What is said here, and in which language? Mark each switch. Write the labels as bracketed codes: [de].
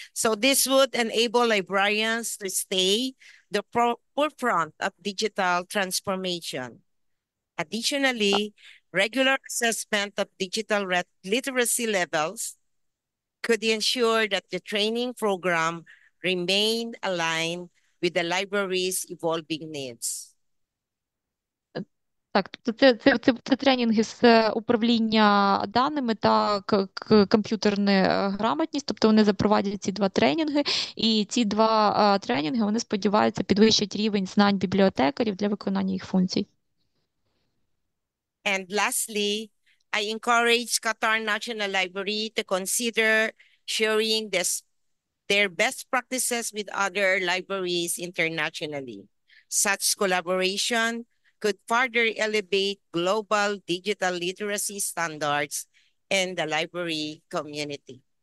[en] So this would enable librarians to stay the forefront of digital transformation. Additionally, regular assessment of digital literacy levels could ensure that the training program remained aligned with the library's evolving needs. [uk] Так, це тренінги з управління даними та комп'ютерна грамотність, тобто вони запровадять ці два тренінги, і ці два тренінги, вони сподіваються підвищити рівень знань бібліотекарів для виконання їх функцій. [en] And lastly, I encourage Qatar National Library to consider sharing their best practices with other libraries internationally. Such collaboration could further elevate global digital literacy standards in the library community.